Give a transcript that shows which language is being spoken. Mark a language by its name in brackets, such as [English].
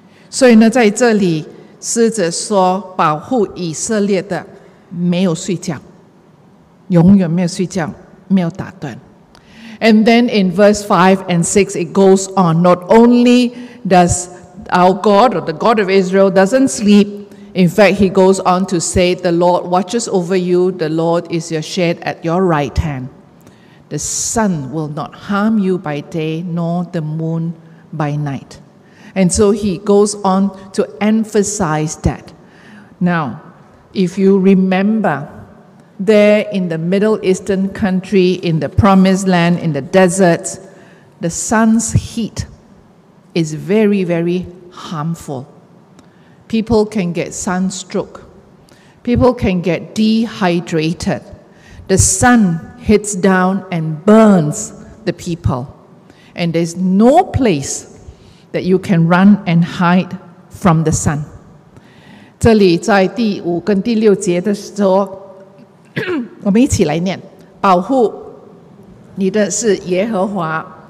[Chinese] 所以呢，在这里狮子说，保护以色列的没有睡觉，永远没有睡觉，没有打盹。 [English] And then in verse 5 and 6, it goes on. Not only does our God or the God of Israel doesn't sleep. In fact, he goes on to say, The Lord watches over you. The Lord is your shade at your right hand. The sun will not harm you by day, nor the moon by night. And so he goes on to emphasize that. Now, if you remember, there in the Middle Eastern country, in the Promised Land, in the desert, the sun's heat is very, very harmful. People can get sunstroke. People can get dehydrated. The sun hits down and burns the people. And there's no place that you can run and hide from the sun. [Chinese] 这里在第五跟第六节的时候，我们一起来念，保护你的是耶和华。